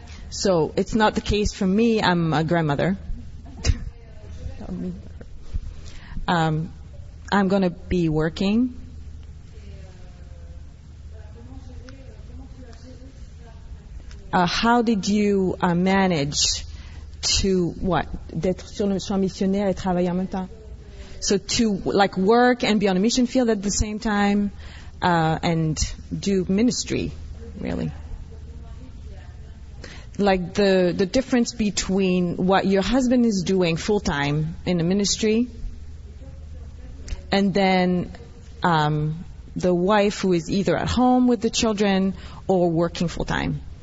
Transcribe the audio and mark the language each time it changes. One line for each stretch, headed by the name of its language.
English: So it's not the case for me. I'm a grandmother. I'm going to be working. How did you manage to what?
French: D'être sur le champ missionnaire et travailler en même temps.
English: So to like work and be on a mission field at the same time and do ministry, really. Like the difference between what your husband is doing full-time in the ministry and then the wife who is either at home with the children or working full-time.